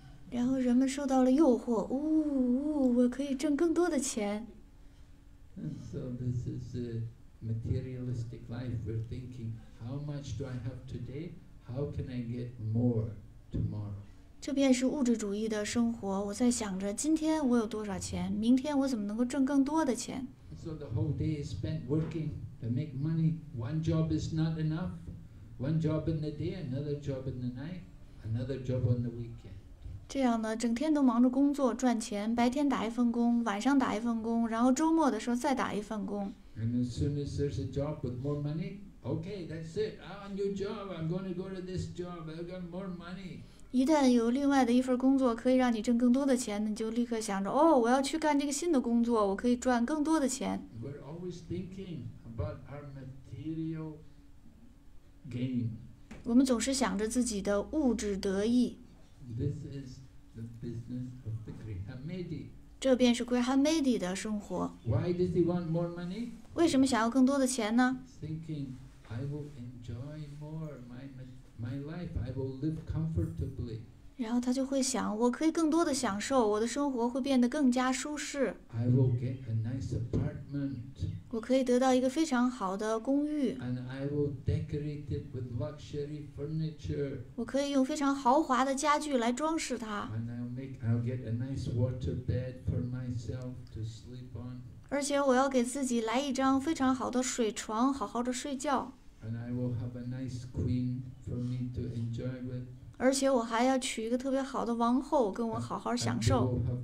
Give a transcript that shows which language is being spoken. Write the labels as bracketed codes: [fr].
[zh] 然后人们受到了诱惑，我可以挣更多的钱。 [en] So this is a materialistic life. We're thinking, how much do I have today? How can I get more tomorrow? [zh] 这便是物质主义的生活。我在想着今天我有多少钱，明天我怎么能够挣更多的钱。 [en] So the whole day is spent working to make money. One job is not enough. One job in the day, another job in the night, another job on the weekend. [zh] 这样呢，整天都忙着工作赚钱，白天打一份工，晚上打一份工，然后周末的时候再打一份工。 [en] And as soon as there's a job with more money, okay, that's it. A new job. I'm going to go to this job. I've got more money. [zh] 一旦有另外的一份工作可以让你挣更多的钱，你就立刻想着，我要去干这个新的工作，我可以赚更多的钱。 [en] We're always thinking about our material gain. [zh] 我们总是想着自己的物质得意。 [en] This is the business of the Graham Mady. [zh] 这便是 Graham Mady 的生活。 [en] Why does he want more money? [zh] 为什么想要更多的钱呢？ [en] Thinking, I will enjoy more my life. I will live comfortably. [zh] 然后他就会想，我可以更多的享受，我的生活会变得更加舒适。 [en] I will get a nice apartment. [zh] 我可以得到一个非常好的公寓。 [en] And I will decorate it with luxury furniture. [zh] 我可以用非常豪华的家具来装饰它。 [en] And I'll get a nice water bed for myself to sleep on. [zh] 而且我要给自己来一张非常好的水床，好好的睡觉。 [en] And I will have a nice queen for me to enjoy with. [zh] 而且我还要娶一个特别好的王后跟我好好享受。